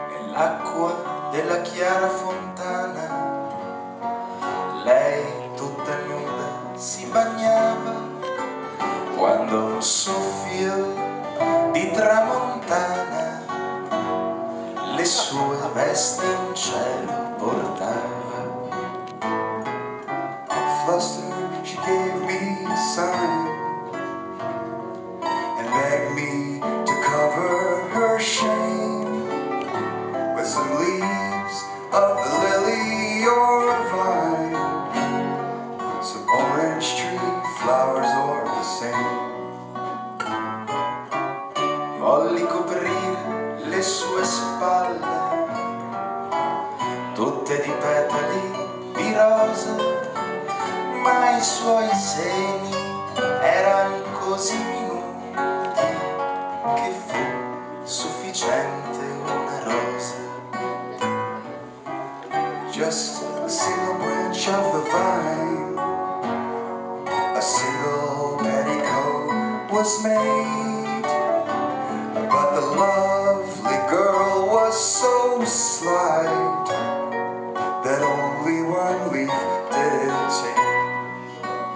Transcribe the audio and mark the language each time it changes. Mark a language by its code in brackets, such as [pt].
[it] L'acqua della chiara fontana, lei tutta nuda si bagnava, quando un soffio di tramontana le sue vesti in cielo portava. [en] At first she gave me a sign and begged me to cover her shame. Some leaves of the lily or vine, some orange tree flowers or the same. [it] Volli coprire le sue spalle tutte di petali di rosa, ma i suoi seni erano così minuti che fu sufficiente una rosa. [en] Just a single branch of the vine, a single petticoat was made, but the lovely girl was so slight that only one leaf did it take.